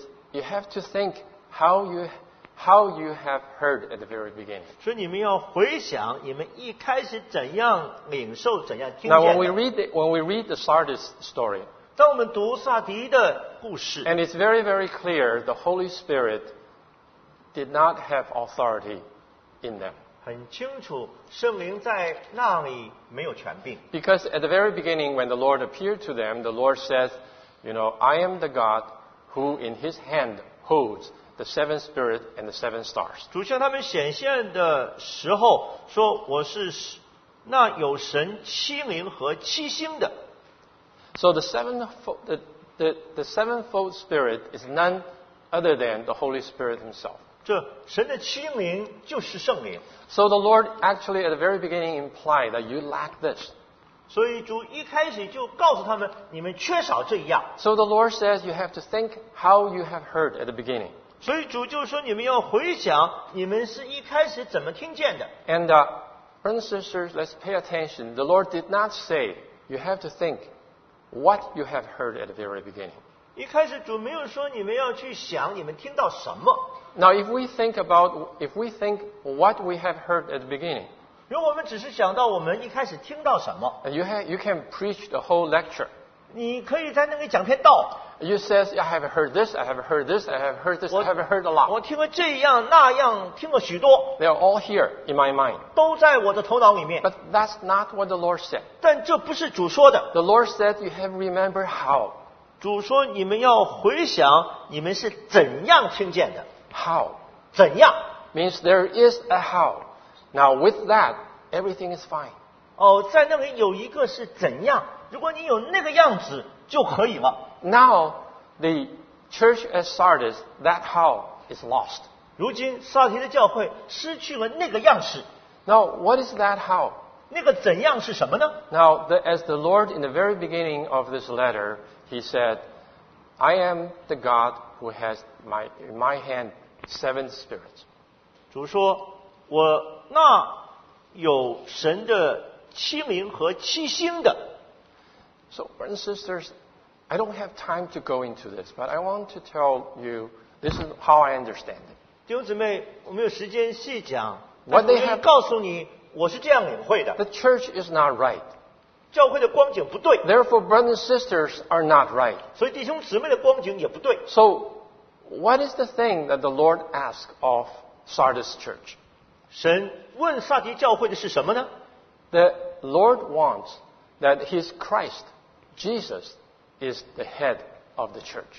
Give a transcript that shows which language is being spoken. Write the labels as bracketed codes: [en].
[en] You have to think how you have heard at the very beginning. [zh] 所以你们要回想你们一开始怎样领受怎样听见的。 [en] Now when we read the Sardis story, [zh] 当我们读撒迪的故事 [en] and it's very very clear the Holy Spirit did not have authority in them. [zh] 很清楚圣灵在那里没有权柄。 [en] Because at the very beginning when the Lord appeared to them, the Lord says, you know, I am the God who in his hand holds the seven spirits and the seven stars. [zh] 主向他们显现的时候说我是那有神七灵和七星的。 [en] So the sevenfold spirit is none other than the Holy Spirit himself. [zh] 这神的七灵就是圣灵。 [en] So the Lord actually at the very beginning implied that you lack this. [zh] 所以主一开始就告诉他们你们缺少这一样。 [en] So the Lord says you have to think how you have heard at the beginning. [zh] 所以主就说你们要回想你们是一开始怎么听见的。 [en] And brothers and sisters, let's pay attention. The Lord did not say you have to think what you have heard at the very beginning. [zh] 一开始主没有说你们要去想你们听到什么。 [en] Now, if we think what we have heard at the beginning, [zh] 如果我们只是想到我们一开始听到什么 [en] you can preach the whole lecture. [zh] 你可以在那里讲篇道。 [en] You say, I have heard this, I have heard a lot. [zh] 我听了这样那样听了许多。 [en] They are all here in my mind. [zh] 都在我的头脑里面。 [en] But that's not what the Lord said. [zh] 但这不是主说的。 [en] The Lord said, you have remembered how. [zh] 主说你们要回想你们是怎样听见的。 [en] How? [zh] 怎样 [en] means there is a how. Now with that, everything is fine. [zh] 哦，在那里有一个是怎样，如果你有那个样子就可以了。 [en] Now, the church at Sardis, that how is lost. [zh] 如今撒提的教会失去了那个样式。 [en] Now, what is that how? [zh] 那个怎样是什么呢？ [en] Now, as the Lord in the very beginning of this letter,He said, I am the God who has in my hand seven spirits. [zh] 主说我那有神的七灵和七星的。 [en] So, brothers and sisters, I don't have time to go into this, but I want to tell you, this is how I understand it. [zh] 弟兄姊妹，我没有时间细讲，但是我可以告诉你，我是这样领会的。 [en] The church is not right. [zh] 教会的光景不对。 [en] Therefore, brothers and sisters are not right. [zh] 所以弟兄姊妹的光景也不对。 [en] So, what is the thing that the Lord asked of Sardis Church? [zh] 神问撒迪教会的是什么呢？ [en] The Lord wants that His Christ, Jesus, is the head of the church.